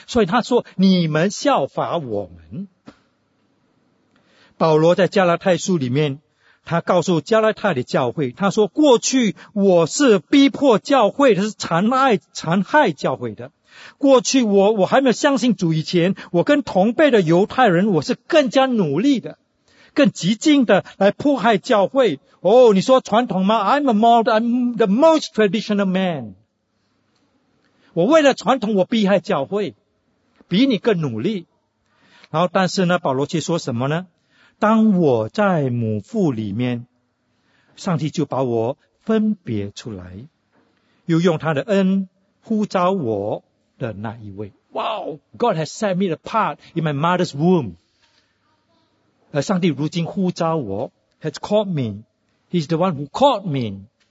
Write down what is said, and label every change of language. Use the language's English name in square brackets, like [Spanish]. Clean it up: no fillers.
[Chinese] 所以他说你们效法我们。保罗在加拉太书里面，他告诉加拉太的教会，他说过去我是逼迫教会，是残害教会的。过去我还没有相信主以前，我跟同辈的犹太人，我是更加努力的，更激进的来迫害教会。哦，你说传统吗？ [English] I'm the most traditional man。 [Chinese] 我为了传统，我逼害教会，比你更努力。然后但是呢，保罗却说什么呢？当我在母腹里面，上帝就把我分别出来，又用他的恩呼召我的那一位。 [English] Wow, God has set me apart in my mother's womb。 [Chinese] 而上帝如今呼召我， [English] has called me, he's the one who called me。